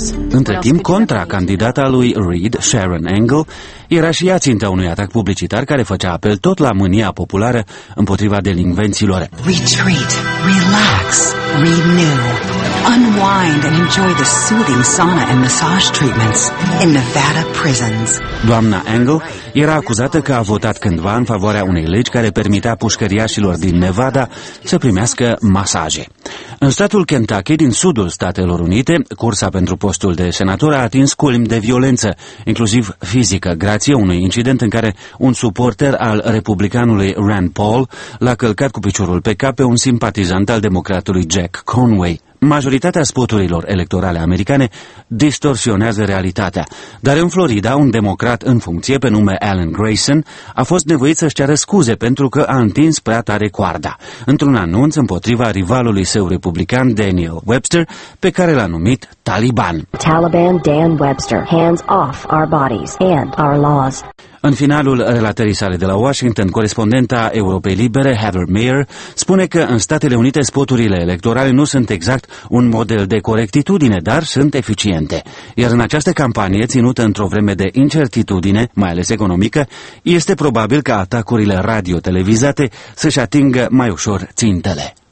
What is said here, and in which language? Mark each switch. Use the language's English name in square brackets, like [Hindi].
[Romanian] Între timp, contra candidata lui Reid, Sharon Angle, era și ea ținta unui atac publicitar care făcea apel tot la mânia populară împotriva delincvenților. [English] Retreat, relax, renew. Unwind and enjoy the soothing sauna and massage treatments in Nevada prisons. [Romanian] Doamna Angle era acuzată că a votat cândva în favoarea unei legi care permitea pușcăriașilor din Nevada să primească masaje. În statul Kentucky, din sudul Statelor Unite, cursa pentru postul de senator a atins culmi de violență, inclusiv fizică, grație unui incident în care un suporter al republicanului Rand Paul l-a călcat cu piciorul pe cap pe un simpatizant al democratului Jack Conway. Majoritatea spoturilor electorale americane distorsionează realitatea, dar în Florida, un democrat în funcție pe nume Alan Grayson a fost nevoit să-și ceară scuze pentru că a întins prea tare coarda, într-un anunț împotriva rivalului său republican Daniel Webster, pe care l-a numit Taliban. [English] Taliban Dan Webster, hands off our bodies and our laws. [Romanian] În finalul relatării sale de la Washington, corespondenta Europei Libere, Heather Mayer, spune că în Statele Unite spoturile electorale nu sunt exact un model de corectitudine, dar sunt eficiente. Iar în această campanie, ținută într-o vreme de incertitudine, mai ales economică, este probabil ca atacurile radio-televizate să-și atingă mai ușor țintele.